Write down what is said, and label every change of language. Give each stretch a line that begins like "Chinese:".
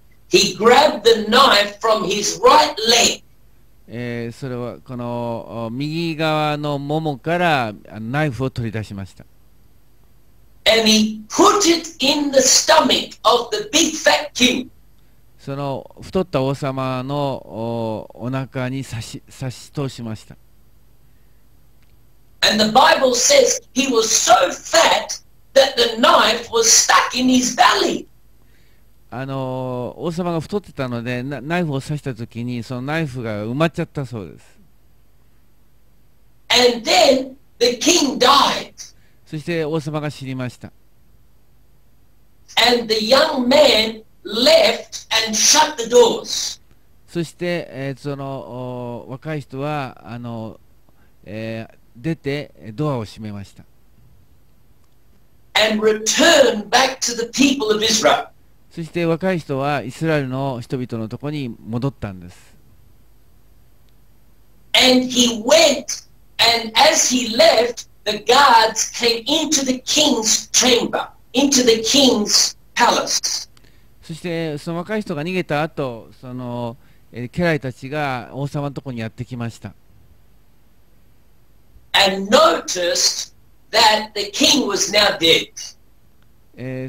English: he grabbed the knife from his right leg.
Japanese: それはこの右側のももからナイフを取り出しました。
English: And he put it in the stomach of the big fat king.
Japanese: その太った王様の お腹に刺し通しました。
English: And the Bible says he was so fat that the knife was stuck in his belly.
Japanese: 王様が太ってたので、ナイフを刺した時にそのナイフが埋まっちゃったそうです。
English: And then the king died.
Japanese: そして王様が死にました。
English: And the young man left and shut the doors.
Japanese: そして、その若い人は出てドアを閉めました。
English: And return back to the people of Israel.
Japanese: そして若い人はイスラエルの人々のところに戻ったんです。
English: And he went, and as he left,The guards came into the king's chamber, into the king's palace.
Japanese: そしてその若い人が逃げた後、その家来たちが王様のところにやってきました。
English: And noticed that the king was now dead.